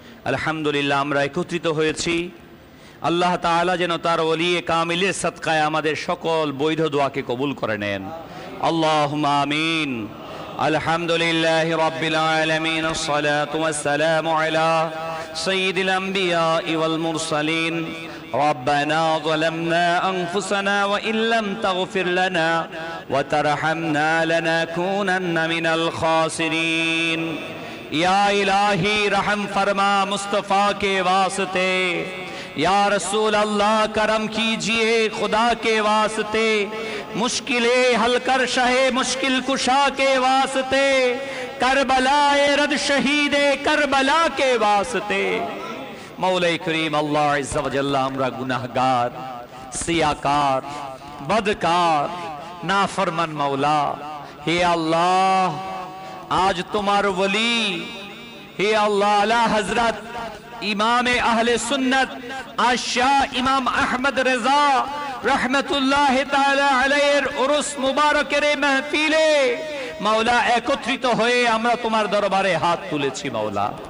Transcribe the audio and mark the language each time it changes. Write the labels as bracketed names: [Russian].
[Bangla] আলহামদুলিল্লাহ আমরা একত্রিত হয়েছি, আল্লাহ তাআলা যেন তার ওলিয়ে কামিলের সদকায় আমাদের সকল বৈধ দোয়াকে কবুল করে নেন। [Arabic] আল্লাহুম্মা আমিন। আলহামদুলিল্লাহি রাব্বিল আলামিন, আসসালাতু ওয়াসসালামু আলা সাইয়্যিদিল আম্বিয়া ওয়াল মুরসালিন। ربنا ظلمنا أنفسنا وإن لم تغفر لنا وترحمنا لنكونن من الخاسرين. [Urdu] يا إلهي رحم فرما مصطفى کے واسطے، یا رسول اللہ کرم کیجئے خدا کے واسطے، مشکلیں حل کر شاہ مشکل کشا کے واسطے، کربلا رد شہید کربلا کے واسطے. [Bangla] মৌলাই করিম আল্লাহ ইজ্জা ওয়াজাল্লা, আমরা গুনাহগার সিয়াকার বদকার নাফরমান মাওলা, হে আল্লাহ আজ তোমার ওলি, হে আল্লাহ আলা হযরত ইমামে আহলে সুন্নাত আশা ইমাম আহমদ রেজা রহমতুল্লাহ তাআলা আলাইহির উরুস মুবারকের মাহফিলে মাওলা একত্রিত হয়ে আমরা তোমার দরবারে হাত তুলেছি মাওলা।